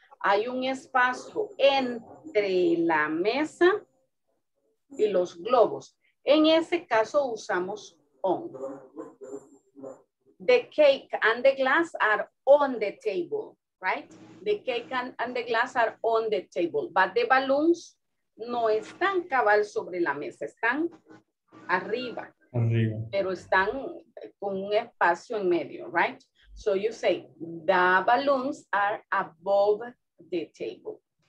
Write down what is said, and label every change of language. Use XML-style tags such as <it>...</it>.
<es>Hay un espacio entre la mesa y los globos. En ese caso usamos on.</es> <en>The cake and the glass are on the table, right? The cake and the glass are on the table, but the balloons</en> <es>no están cabal sobre la mesa, están arriba. Arriba. Pero están con un espacio en medio, right?</es> <en>So you say, the balloons are above the table.</en>